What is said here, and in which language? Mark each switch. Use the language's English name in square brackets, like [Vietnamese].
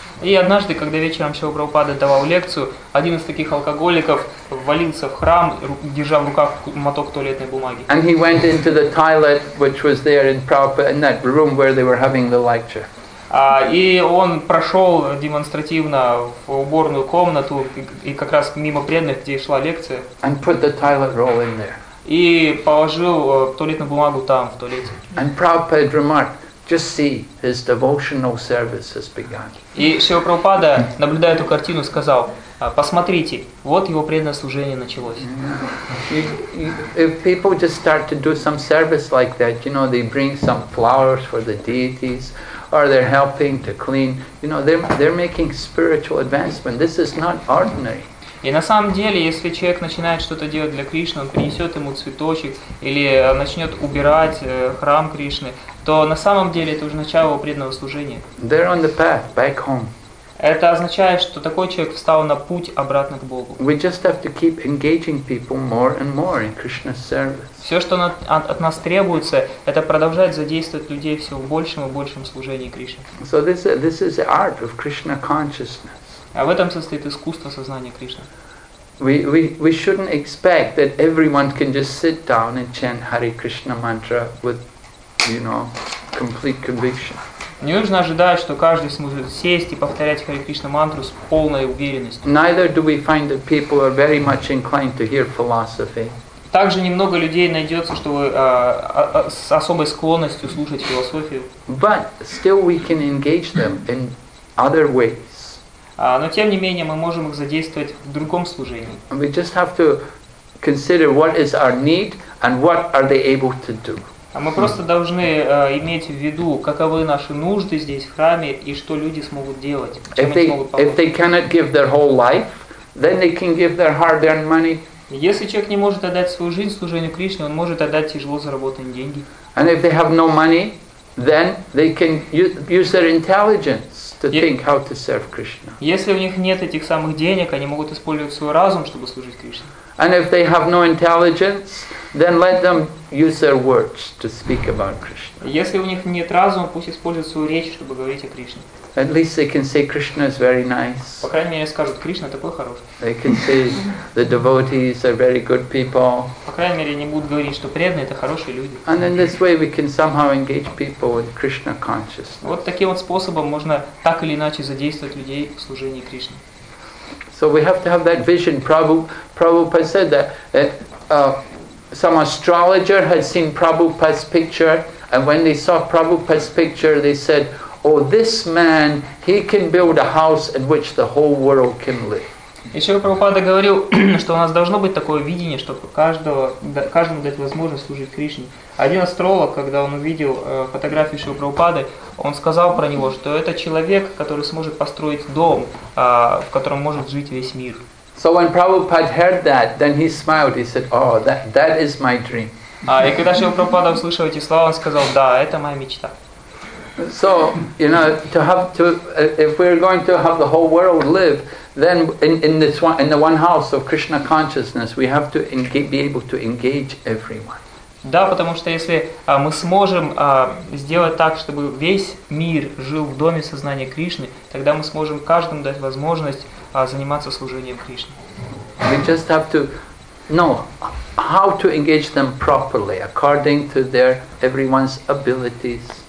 [Russian] И однажды, когда вечером Шрила Прабхупада давал лекцию, один из таких алкоголиков ввалился в храм, держа в руках моток туалетной бумаги. [English] And he went into the toilet, which was there in Prabhupada, in that room where they were having the lecture. [Russian] И он прошел демонстративно в уборную комнату и как раз мимо преданных, где шла лекция. [English] And put the toilet roll in there. [Russian] И положил туалетную бумагу там, в туалете. [English] And Prabhupada remarked, just see, his devotional service has begun. [Russian] И Шрила Прабхупада, наблюдая эту картину, сказал, посмотрите, вот его преданное служение началось. [English] If people just start to do some service like that, you know, they bring some flowers for the deities, or they're helping to clean, you know, they're making spiritual advancement. This is not ordinary. [Russian] И на самом деле, если человек начинает что-то делать для Кришны, он принесет ему цветочек или начнет убирать храм Кришны, то на самом деле это уже начало его преданного служения. [English] They're on the path back home. [Russian] Это означает, что такой человек встал на путь обратно к Богу. [English] We just have to keep engaging people more and more in Krishna's service. [Russian] Все, что от нас требуется, это продолжать задействовать людей все в большем и большем служении Кришне. [English] So this is the art of Krishna consciousness. [Russian] А в этом состоит искусство сознания Кришны. [English] We shouldn't expect that everyone can just sit down and chant Hare Krishna mantra with, you know, complete conviction. [Russian] Не нужно ожидать, что каждый сможет сесть и повторять Харе Кришна мантру с полной уверенностью. [English] Neither do we find that people are very much inclined to hear philosophy. [Russian] Также немного людей найдется, чтобы с особой склонностью слушать философию. [English] But still we can engage them in other ways. [Russian] Но тем не менее мы можем их задействовать в другом служении. [English] We just have to consider what is our need and what are they able to do. [Russian] Мы просто должны иметь в виду, каковы наши нужды здесь в храме и что люди смогут делать, чем они смогут помочь. [English] If they cannot give their whole life, then they can give their hard-earned money. [Russian] Если человек не может отдать свою жизнь служению Кришне, он может отдать тяжело заработанные деньги. [English] And if they have no money, then they can use their intelligence to think how to serve Krishna. [Russian] Если у них нет этих самых денег, они могут использовать свой разум, чтобы служить Кришне. [English] And if they have no intelligence, then let them use their words to speak about Krishna. [Russian] Если у них нет разума, пусть используют свою речь, чтобы говорить о Кришне. [English] At least they can say Krishna is very nice. [Russian] По крайней мере, скажут, Кришна такой хороший. [English] They can say the devotees are very good people. [Russian] По крайней мере, они будут говорить, что преданные это хорошие люди. [English] And in this way we can somehow engage people with Krishna consciousness. [Russian] Вот таким вот способом можно так или иначе задействовать людей в служении Кришне. [English] So we have to have that vision. Prabhupada said that some astrologer had seen Prabhupada's picture, and when they saw Prabhupada's picture, they said, "Oh, this man, he can build a house in which the whole world can live." [Russian] И Шрила Прабхупада говорил, что у нас должно быть такое видение, чтобы каждому дать возможность служить Кришне. Один астролог, когда он увидел фотографию Шрила Прабхупады, он сказал про него, что это человек, который сможет построить дом, в котором может жить весь мир. [English] So when Prabhupada heard that, then he smiled. He said, "Oh, that is my dream." [Russian] И когда Шрила Прабхупада услышал эти слова, он сказал, "Да, это моя мечта." [English] So, you know, if we're going to have the whole world live, then in the one house of Krishna consciousness, we have to be able to engage everyone. [Russian] Да, потому что если мы сможем сделать так, чтобы весь мир жил в доме сознания Кришны, тогда мы сможем каждому дать возможность заниматься служением Кришне. [English] We just have to know how to engage them properly, according to their everyone's abilities.